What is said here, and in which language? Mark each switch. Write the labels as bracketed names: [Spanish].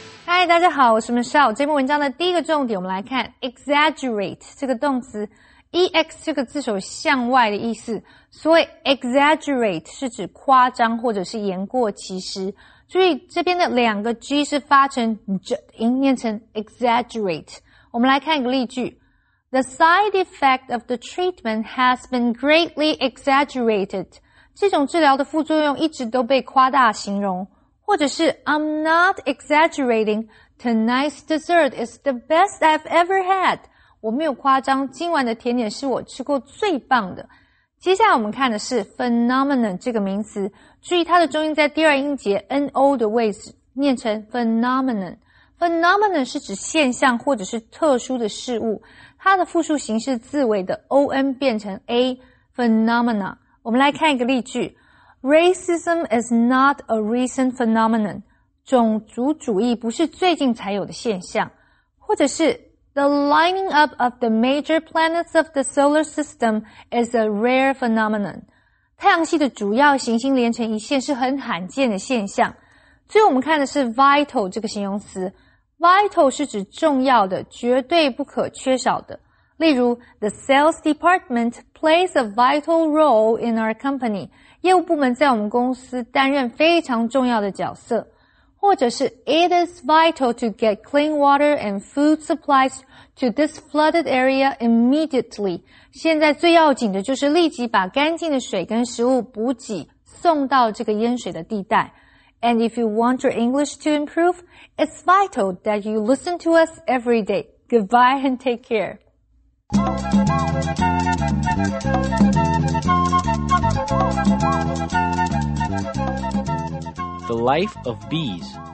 [Chinese] Hi, 大家好，我是 Michelle。这篇文章的第一个重点，我们来看 exaggerate 这个动词。 ex 这个字首向外的意思，所以 exaggerate 是指夸张或者是言过其实。注意这边的两个 g 是发成 j 音，念成 exaggerate。我们来看一个例句 [English] ：The side effect of the treatment has been greatly exaggerated。 [Chinese] 这种治疗的副作用一直都被夸大形容。或者是 [English] I'm not exaggerating. Tonight's dessert is the best I've ever had. [Chinese] 我没有夸张，今晚的甜点是我吃过最棒的。接下来我们看的是 phenomenon 这个名词，注意它的重音在第二音节 no 的位置，念成 phenomenon。 Phenomenon 是指现象或者是特殊的事物，它的复数形式字尾的 on 变成 a phenomena。我们来看一个例句。 [English] Racism is not a recent phenomenon. [Chinese] 种族主义不是最近才有的现象。或者是 [English] The lining up of the major planets of the solar system is a rare phenomenon. [Chinese] 太阳系的主要行星连成一线是很罕见的现象。最后我们看的是 vital 这个形容词。Vital 是指重要的，绝对不可缺少的。例如 [English] The sales department plays a vital role in our company. [Chinese] 业务部门在我们公司担任非常重要的角色，或者是 [English] It is vital to get clean water and food supplies to this flooded area immediately. [Chinese] 现在最要紧的就是立即把干净的水跟食物补给送到这个淹水的地带。 [English] And if you want your English to improve, it's vital that you listen to us every day. Goodbye and take care. The life of bees.